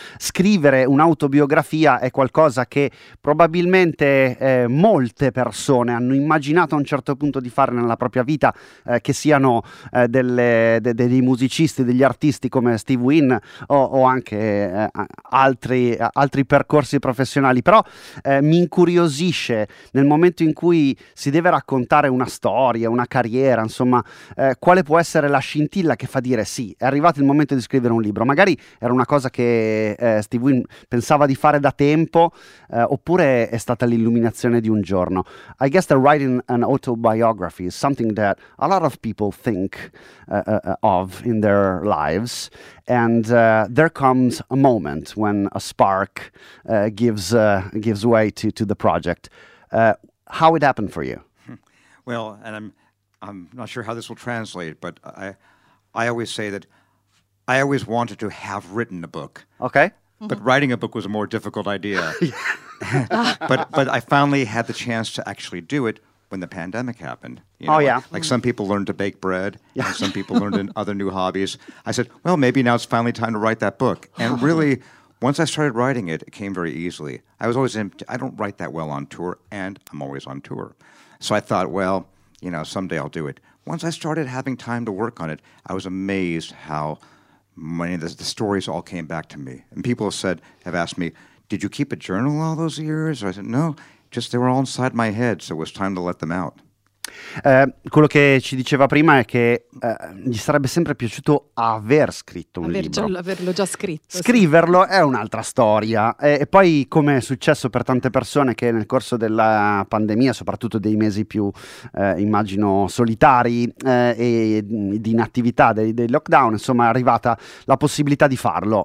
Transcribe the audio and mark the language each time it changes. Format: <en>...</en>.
<it>Scrivere un'autobiografia è qualcosa che probabilmente molte persone hanno immaginato a un certo punto di fare nella propria vita, che siano dei musicisti, degli artisti come Steve Wynn o anche altri percorsi professionali, però mi incuriosisce nel momento in cui si deve raccontare una storia, una carriera, insomma, quale può essere la scintilla che fa dire sì, è arrivato il momento di scrivere un libro. Magari era una cosa che Steve Wynn pensava di fare da tempo, oppure è stata l'illuminazione di un giorno.</it> <en>I guess the right writing an autobiography is something that a lot of people think of in their lives, and there comes a moment when a spark gives way to the project. How it happened for you? Well, and I'm not sure how this will translate, but I always say that I always wanted to have written a book. Okay. But writing a book was a more difficult idea. but I finally had the chance to actually do it when the pandemic happened. You know, like some people learned to bake bread, yeah, and some people learned in other new hobbies. I said, well, maybe now it's finally time to write that book. And really, once I started writing it, it came very easily. I was always I don't write that well on tour, and I'm always on tour. So I thought, well, you know, someday I'll do it. Once I started having time to work on it, I was amazed how many of the stories all came back to me. And people have asked me, did you keep a journal all those years? Or I said, no. Just they were all inside my head, so it was time to let them out.</en> <it>Quello che ci diceva prima è che gli sarebbe sempre piaciuto aver scritto un libro. Averlo già scritto. Scriverlo sì. È un'altra storia. E poi, come è successo per tante persone che nel corso della pandemia, soprattutto dei mesi più, immagino, solitari e di inattività, dei lockdown, insomma, è arrivata la possibilità di farlo.</it>